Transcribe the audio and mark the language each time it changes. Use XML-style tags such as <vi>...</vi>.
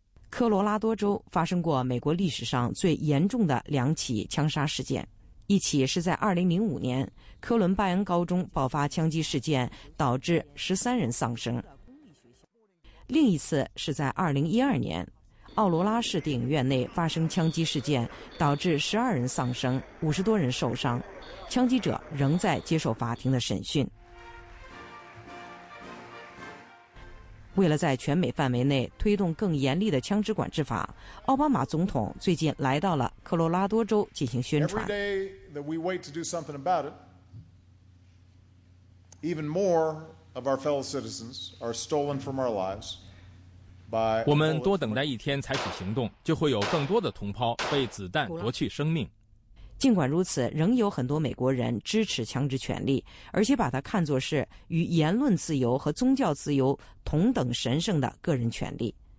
<zh>科罗拉多州发生过美国历史上最严重的2起枪杀事件，一起是在2005年科伦拜恩高中爆发枪击事件，导致13人丧生；另一次是在2012年奥罗拉市电影院内发生枪击事件，导致12人丧生，50多人受伤，枪击者仍在接受法庭的审讯。为了在全美范围内推动更严厉的枪支管制法，奥巴马总统最近来到了科罗拉多州进行宣传。</zh> <en>Every day that we wait to do something about it, even more of our fellow citizens are stolen from our lives.</en> <zh>我们多等待一天采取行动，就会有更多的同胞被子弹夺去生命。尽管如此，仍有很多美国人支持枪支权利，而且把它看作是与言论自由和宗教自由同等神圣的个人权利。</zh>